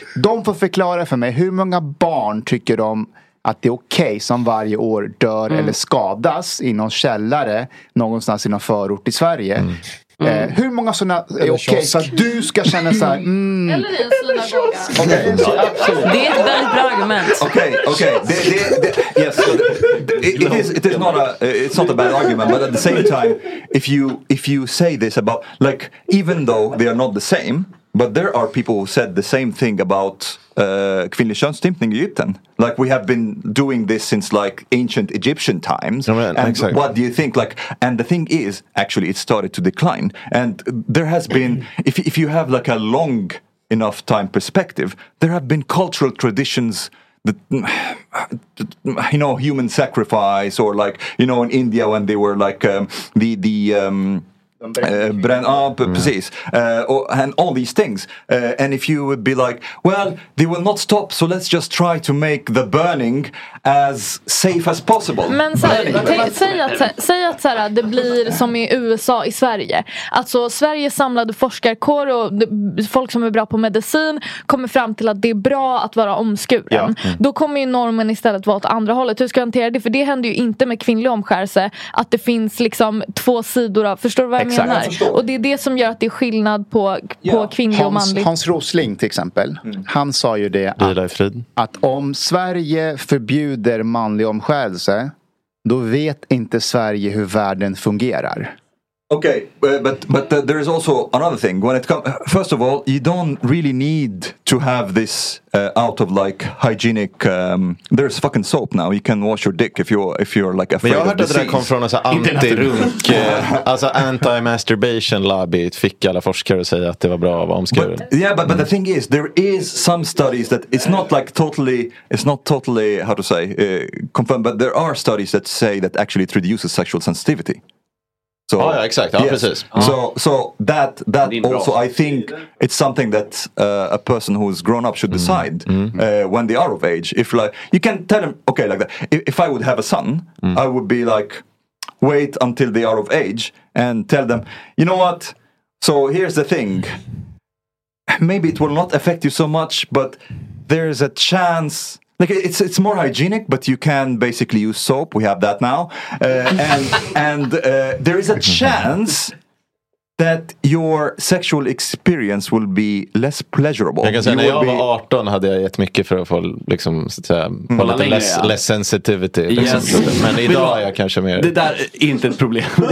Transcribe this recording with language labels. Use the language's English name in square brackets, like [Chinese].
[Swedish] De får förklara för mig hur många barn tycker de att det är okej okay som varje år dör eller skadas i någon källare någonstans i någon förort i Sverige. Hur många sådana är okej okay, så att du ska känna såhär eller i en det är ett väldigt bra argument. [English] Okej, it's not a bad argument, but at the same time if you say this about, like, even though they are not the same, but there are people who said the same thing about [Swedish] kvinnlig könsstympning i Egypten. [English] Like, we have been doing this since, like, ancient Egyptian times. Oh, man. And exactly. What do you think? Like, and the thing is, actually, it started to decline. And there has been, if you have, like, a long enough time perspective, there have been cultural traditions that, you know, human sacrifice, or, like, you know, in India when they were, like, precis. And all these things. And if you would be like, well, they will not stop, so let's just try to make the burning as safe as possible. [Swedish] Men så här, säg att så här, det blir som i USA, i Sverige. Alltså, Sverige samlade forskarkår och folk som är bra på medicin kommer fram till att det är bra att vara omskuren. Ja. Mm. Då kommer ju normen istället vara åt andra hållet. Hur ska jag hantera det? För det händer ju inte med kvinnlig omskärelse, att det finns liksom två sidor av, förstår du vad jag menar? Exakt. Och det är det som gör att det är skillnad på kvinnlig och manlig. Hans Rosling till exempel, han sa ju det att om Sverige förbjuder manlig omskärelse, då vet inte Sverige hur världen fungerar. [English] Okay, but there is also another thing. When it comes, first of all, you don't really need to have this out of, like, hygienic. There's fucking soap now. You can wash your dick if you're like afraid. [Swedish] Men jag hörde att det kom från anti-runk, alltså anti-masturbation lobby. Fick alla forskare att säga att det var bra att vara omskuren. [English] But the thing is, there is some studies that it's not totally how to say confirmed, but there are studies that say that actually it reduces sexual sensitivity. So, oh, yeah, exactly. Yes. Oh. So that also, I think it's something that a person who's grown up should decide when they are of age. If, like, you can tell them, okay, like that. If I would have a son, I would be like, wait until they are of age and tell them, you know what? So here's the thing. Maybe it will not affect you so much, but there's a chance, Like it's more hygienic, but you can basically use soap. We have that now, and there is a chance that your sexual experience will be less pleasurable. [Swedish] Jag kan säga, när jag var 18 hade jag jättemycket för att få liksom, så att säga, få lite [English] less sensitivity. Yes. [Swedish] Liksom. Men idag är jag kanske mer... Det där är inte ett problem.